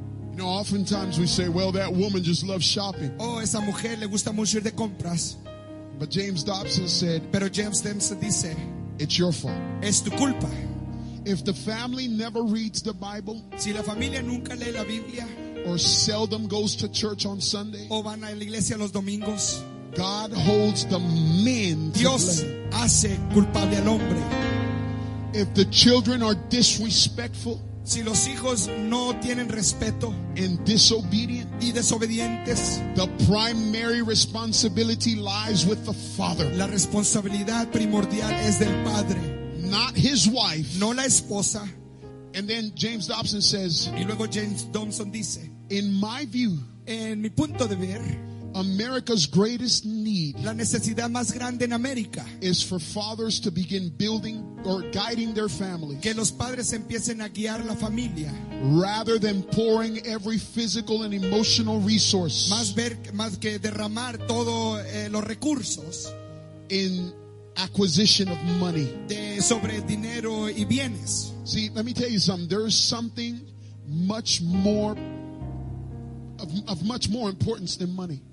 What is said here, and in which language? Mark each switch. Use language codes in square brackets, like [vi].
[en] You know, oftentimes we say, "Well, that woman just loves shopping." [es] Oh, esa mujer le gusta mucho ir de compras. [en] But James Dobson said, [es] pero James Dobson dice, [en] "It's your fault." [es] Es tu culpa. [en] If the family never reads the Bible, [es] si la familia nunca lee la Biblia, [en] or seldom goes to church on Sunday, [es] o van a la iglesia los domingos, [en] God holds the men to [es] Dios [en] blame. [es] Hace culpable al hombre. [en] If the children are disrespectful, [es] si los hijos no tienen respeto, [en] and disobedient, [es] y desobedientes, [en] the primary responsibility lies with the father. [es] La responsabilidad primordial es del padre, [en] not his wife, [es] no la esposa. [en] And then James Dobson says, [es] y luego James Dobson dice, [en] in my view, [es] en mi punto de ver, [en] America's greatest need, [es] la necesidad más grande en América, [en] is for fathers to begin building or guiding their families, [es] que los padres empiecen a guiar la familia, [en] rather than pouring every physical and emotional resource, [es] más que derramar todo los recursos, [en] in acquisition of money, [es] de sobre dinero y bienes. [en] See, let me tell you something. There is something much more of much more importance than money.